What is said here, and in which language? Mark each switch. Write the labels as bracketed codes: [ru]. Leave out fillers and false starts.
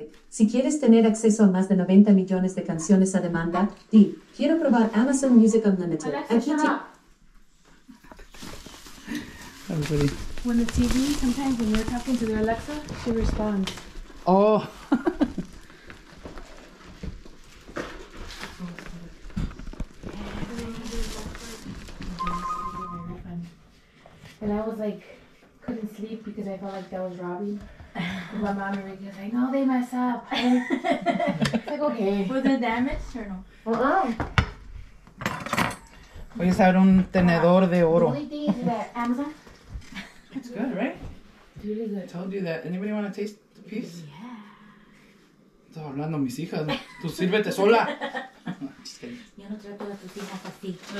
[es] Si quieres tener acceso a más de 90 millones de canciones a demanda, di, quiero probar Amazon Music Unlimited. Alexa, aquí [en] shut up. Everybody. When the TV, sometimes when you're talking to the Alexa, she responds. Oh. And I was like, couldn't sleep because I felt like that was Robbie. My mom and Ricky's like, no, they mess up. It's like, okay. Was it damaged or no? Uh-oh. [es] Voy a usar un tenedor de oro. [en] The only thing is that Amazon. It's good, right? Really good. I told you that. Anybody want to taste the piece? Yeah. [es] Estaba hablando a mis hijas. Tú sírvete sola. [en] Just kidding. [es] Yo no trato a tus hijas así.